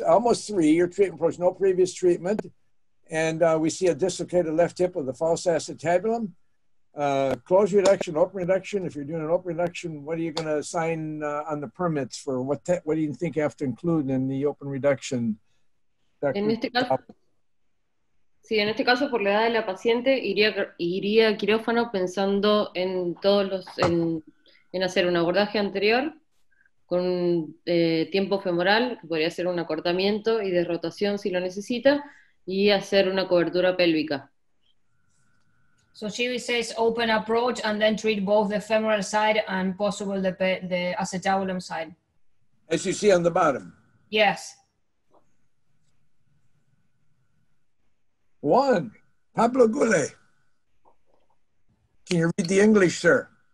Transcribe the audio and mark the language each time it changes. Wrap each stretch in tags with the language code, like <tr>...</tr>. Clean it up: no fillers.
<en>Almost three, your treatment approach, no previous treatment. And we see a dislocated left hip with a false acetabulum. Close reduction, open reduction. If you're doing an open reduction, what are you gonna sign on the permits for? What do you think you have to include in the open reduction?</en> <es>En este caso, por la edad de la paciente, iría a quirófano pensando en todos los en hacer un abordaje anterior con tiempo femoral, que podría ser un acortamiento y de rotación si lo necesita, y hacer una cobertura pélvica.</es> <en>So she says open approach and then treat both the femoral side and possible the acetabulum side. As you see on the bottom. Yes. Juan, Pablo Gule. Can you read the English, sir?</en>